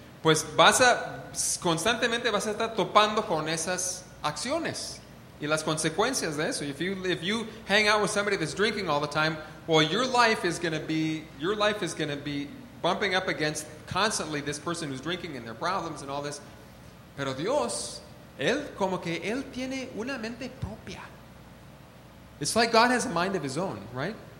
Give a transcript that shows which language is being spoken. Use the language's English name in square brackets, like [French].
[Spanish] Pues vas a, constantemente vas a estar topando con esas acciones y las consecuencias de eso. [English] If you hang out with somebody that's drinking all the time, well, your life is going to be bumping up against constantly this person who's drinking and their problems and all this. [Spanish] Pero Dios, él como que él tiene una mente propia. [English] It's like God has a mind of his own, right?